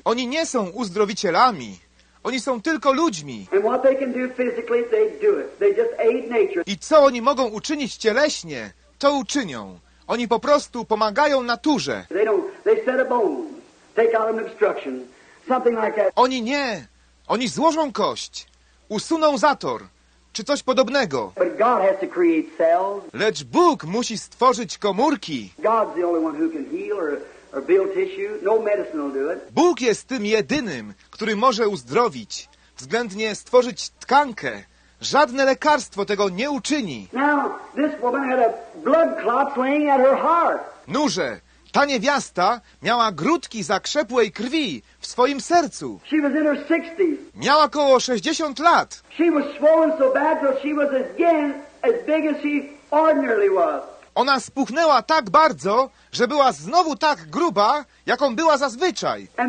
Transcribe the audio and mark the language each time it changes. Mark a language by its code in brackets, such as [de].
[pl] Oni nie są uzdrowicielami. Oni są tylko ludźmi. [en] And what they can do physically, they do it. They just aid nature. [pl] I co oni mogą uczynić cieleśnie, to uczynią. Oni po prostu pomagają naturze. [en] They set a bone, take out an obstruction, something like that. [pl] Oni nie. Oni złożą kość, usuną zator, czy coś podobnego. [en] But God has to create cells. [pl] Lecz Bóg musi stworzyć komórki. [en] God's the only one who can heal or build tissue. No medicine will do it. [pl] Bóg jest tym jedynym, który może uzdrowić, względnie stworzyć tkankę. Żadne lekarstwo tego nie uczyni. [en] Now, this woman had a blood clot swinging at her heart. [pl] Nuże, ta niewiasta miała grudki zakrzepłej krwi w swoim sercu. [en] She was in her 60s. [pl] Miała około 60 lat. [en] She was swollen so bad that she was again as big as she ordinarily was. [pl] Ona spuchnęła tak bardzo, że była znowu tak gruba, jaką była zazwyczaj.